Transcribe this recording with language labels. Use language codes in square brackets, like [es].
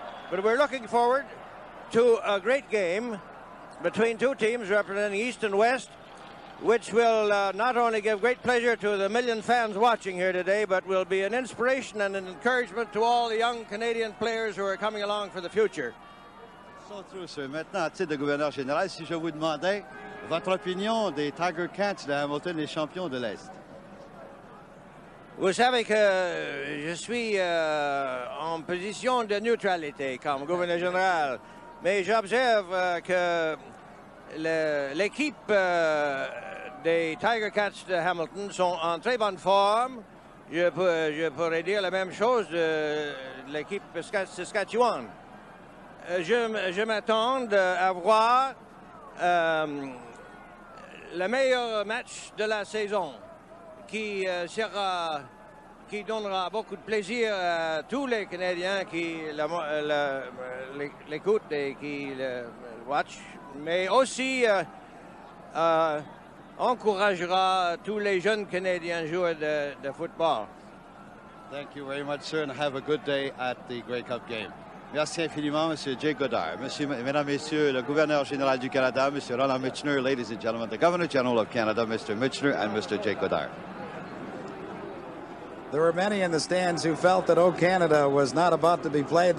[en] But we're looking forward to a great game between two teams representing East and West, which will not only give great pleasure to the million fans watching here today, but will be an inspiration and an encouragement to all the young Canadian players who are coming along for the future. So true, sir. [fr] Maintenant, à titre de gouverneur général, si je vous demandais votre opinion des Tiger Cats de Hamilton, les champions de l'Est. Vous savez que je suis en position de neutralité comme gouverneur général, mais j'observe que l'équipe des Tiger Cats de Hamilton sont en très bonne forme. Je pourrais dire la même chose de l'équipe Saskatchewan. je m'attends à voir le meilleur match de la saison qui sera, qui donnera beaucoup de plaisir à tous les Canadiens qui l'écoutent et qui le watch, mais aussi encouragera tous les jeunes Canadiens joueurs de football. [en] Thank you very much, sir, and have a good day at the Grey Cup game. [fr] Merci infiniment, Monsieur Jay Goddard. Monsieur, mesdames, messieurs, le gouverneur général du Canada, Monsieur Ronald Michener, [en] ladies and gentlemen, the Governor General of Canada, Mr. Michener, and Mr. Jay Goddard. There were many in the stands who felt that O Canada was not about to be played.